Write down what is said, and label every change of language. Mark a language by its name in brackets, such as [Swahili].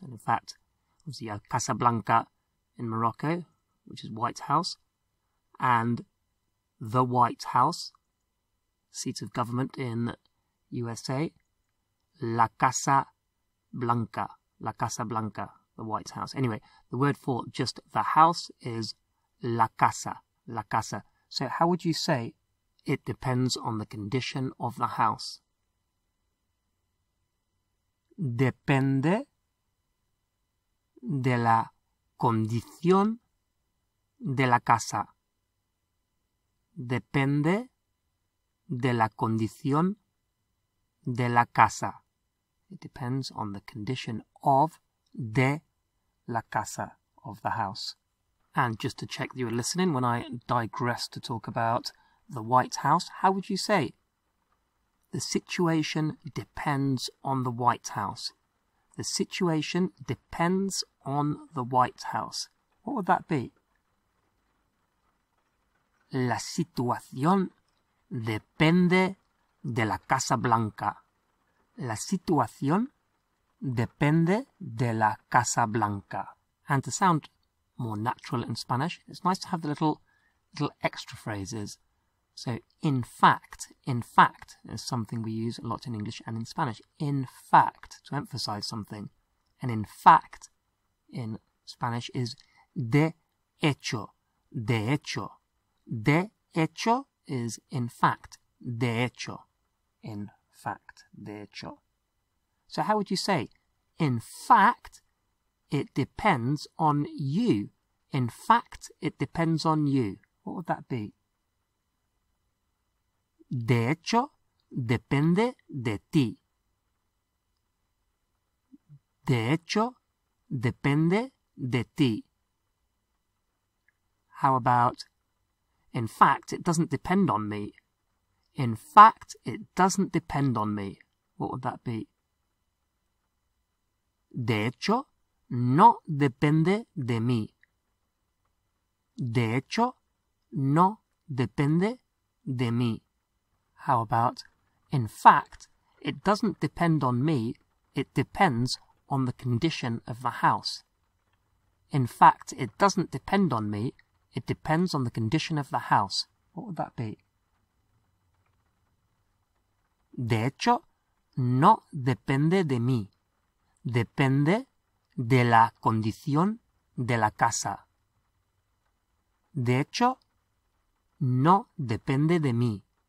[English] And in fact, obviously, Casa Blanca in Morocco, which is White House, and the White House, seat of government in USA, La Casa Blanca. La Casa Blanca, the White House. Anyway, the word for just the house is la casa, la casa. So how would you say it depends on the condition of the house? [Spanish] Depende de la condición de la casa. Depende de la condición de la casa. [English] It depends on the condition of, [Spanish] de la casa, [English] of the house. And just to check that you were listening, when I digressed to talk about the White House, how would you say the situation depends on the White House? The situation depends on the White House. What would that be? [Spanish] La situación depende de la Casa Blanca. La situación depende de la Casa Blanca. [English] And to sound more natural in Spanish, it's nice to have the little extra phrases. So, in fact is something we use a lot in English and in Spanish. In fact, to emphasize something. And in fact, in Spanish, is de hecho. De hecho. De hecho is in fact. De hecho. In fact. De hecho. So how would you say, in fact, It depends on you. In fact, it depends on you. What would that be? [Spanish] De hecho, depende de ti. De hecho, depende de ti. [English] How about, in fact, it doesn't depend on me. In fact, it doesn't depend on me. What would that be? [Spanish] De hecho, no depende de mí. De hecho, no depende de mí. [English] How about, in fact, it doesn't depend on me, it depends on the condition of the house. In fact, it doesn't depend on me, it depends on the condition of the house. What would that be? [Spanish] De hecho, no depende de mí. Depende de la condición de la casa. De hecho, no depende de mí.